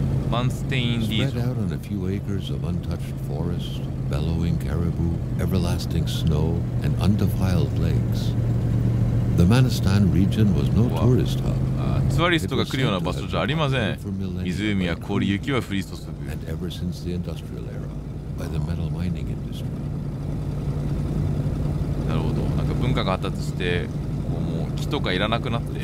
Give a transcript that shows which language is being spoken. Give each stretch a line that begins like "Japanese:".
Japanese: マンステインディーゼル。
English: Spread out on a few acres of untouched forest, bellowing caribou, everlasting snow, and undefiled lakes. The Manistan region was no tourist hub.
Japanese: ツアリストが来るような場所じゃありません。湖や氷、雪は降り注ぐ。
English: And ever since the industrial era, by the metal mining industry.
Japanese: なるほど、なんか文化が発達して、こうもう木とかいらなくなって。